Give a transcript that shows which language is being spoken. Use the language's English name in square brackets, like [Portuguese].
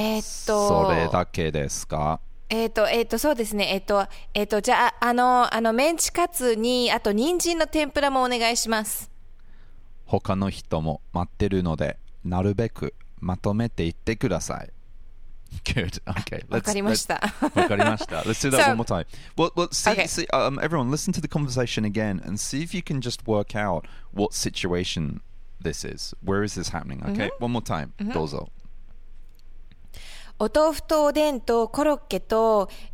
[Japanese] それだけですか？そうですね。じゃあ、あのメンチカツに、あと人参の天ぷらもお願いします。他の人も待ってるので、なるべくまとめていってください。 [English] Good. Okay. [Japanese] わかりました。わかりました。 [English] Let's do that one more time. Well, see, everyone, listen to the conversation again and see if you can just work out what situation this is. Where is this happening? Okay. Mm-hmm. One more time. Mm-hmm. [Japanese] どうぞ。お豆腐とおでんとコロッケと